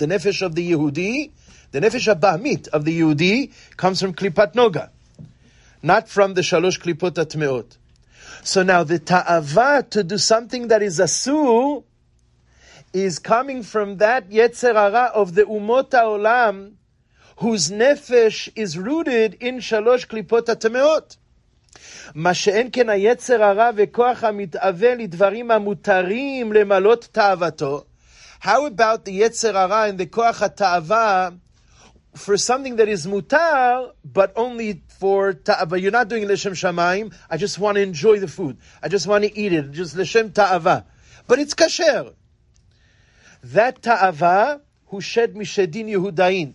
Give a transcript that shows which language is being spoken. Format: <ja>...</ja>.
<en>The nefesh of the Yehudi, the nefesh of Bahamit of the Yehudi, comes from Klipat Noga, not from the Shalosh Klipot HaTme'ot. So now the ta'ava to do something that is asur is coming from that Yetzer Hara of the Umot HaOlam, whose nefesh is rooted in Shalosh Klipot HaTme'ot.</en> <he>מה שאין כן היצר הרע וכוח המתאווה לדברים המותרים למלות תאוותו.</he> <en>How about the יצר הרע and the כוח התאווה for something that is מותר, but only for תאווה. You're not doing</en> <he>לשם שמיים.</he> <en>I just want to enjoy the food. I just want to eat it. Just</en> <he>לשם תאווה.</he> <en>But it's kasher. That</en> <he>תאווה הוא שד משדין יהודאין.</he>